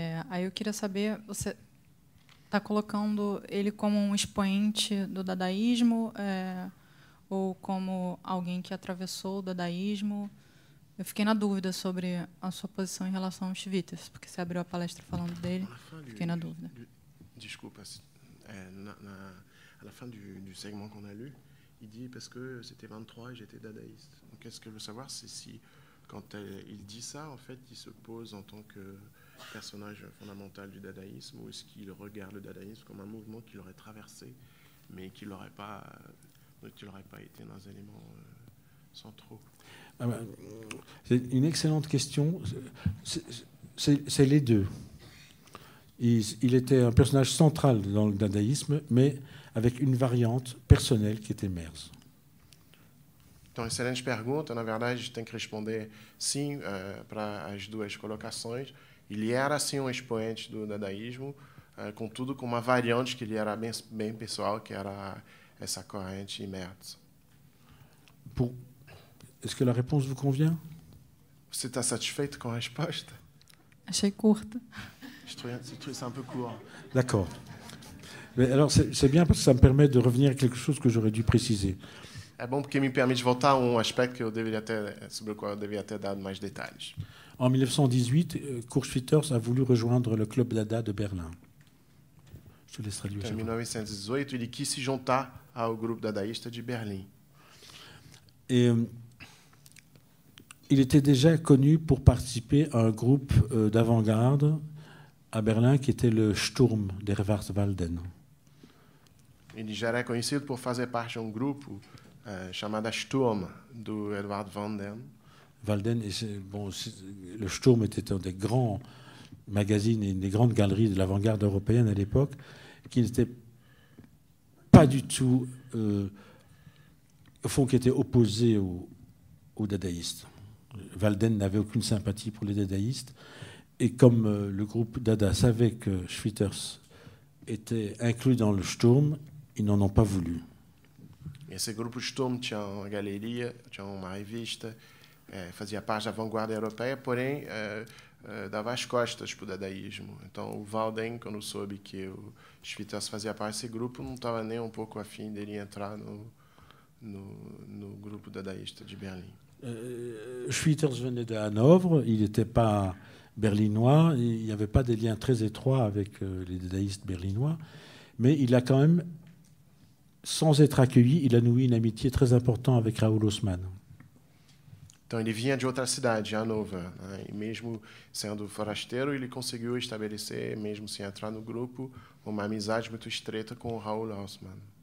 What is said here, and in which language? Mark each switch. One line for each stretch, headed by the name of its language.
Portuguese: Aí eu queria saber, você está colocando ele como um expoente do dadaísmo ou como alguém que atravessou o dadaísmo? Eu fiquei na dúvida sobre a sua posição em relação ao Chivitas, porque você abriu a palestra falando dele. Fiquei na dúvida. Desculpa.
French: À la fin du segment qu'on a lu, il dit parce que c'était 23 et j'étais dadaïste. Donc, qu'est-ce que je veux savoir, c'est si quand il dit ça, en fait, il se pose en tant que personnage fondamental du dadaïsme, ou est-ce qu'il regarde le dadaïsme comme un mouvement qu'il aurait traversé, mais qu'il n'aurait pas, été dans un élément central. C'est une excellente question. C'est les deux. Il était un personnage central dans le dadaïsme, mais avec une variante personnelle qui était Merz.
Portuguese: Então, excelente pergunta. Na verdade, tem que responder sim para as duas colocações. Ele era, sim, um expoente do dadaísmo, contudo, com uma variante que ele era bem, bem pessoal, que era essa corrente Merz.
French: Est-ce que
Portuguese: a resposta
French: vous convient?
Portuguese: Você está satisfeito com a resposta? Achei curta.
French: C'est un peu court. D'accord. Mais alors, c'est bien parce que ça me permet de revenir à quelque chose que j'aurais dû préciser.
Portuguese: É bom porque me permite voltar a um aspecto que eu deveria ter, sobre o qual eu devia ter dado mais detalhes.
French: Em 1918, Kurzschwitters a voulu rejoindre le Club Dada de Berlim. Je te laisse traduire.
Portuguese: Em 1918, ele quis se juntar ao grupo dadaísta de Berlim.
French: Et il était déjà connu pour participer à un groupe d'avant-garde à Berlin qui était le Sturm der Wartwalden.
Portuguese: Ele já era conhecido por fazer parte de um grupo chamada Sturm do Edward Van Den.
French: Walden, le Sturm était un des grands magazines et une des grandes galeries de l'avant-garde européenne à l'époque, qui n'était pas du tout, au fond, qui était opposé aux dadaïstes. Walden n'avait aucune sympathie pour les dadaïstes. Et comme le groupe Dada savait que Schwitters était inclus dans le Sturm, ils n'en ont pas voulu.
Portuguese: Esse grupo Sturm tinha uma galeria, tinha uma revista, fazia parte da vanguarda europeia, porém dava as costas para o dadaísmo. Então o Walden, quando soube que o Schwitters fazia parte desse grupo, não estava nem um pouco afim dele entrar no grupo dadaísta de Berlim.
French: Schwitters venait de Hanovre, il n'était pas berlinois, il n'y avait pas de lien très étroit avec les dadaïstes berlinois, mais il a quand même. Sans être accueilli, il a noué une amitié très importante avec Raoul Haussmann.
Portuguese: Então, ele vinha de outra cidade, Hanover, né? E mesmo sendo forasteiro, ele conseguiu estabelecer, mesmo sem entrar no grupo, uma amizade muito estreita com Raoul Haussmann.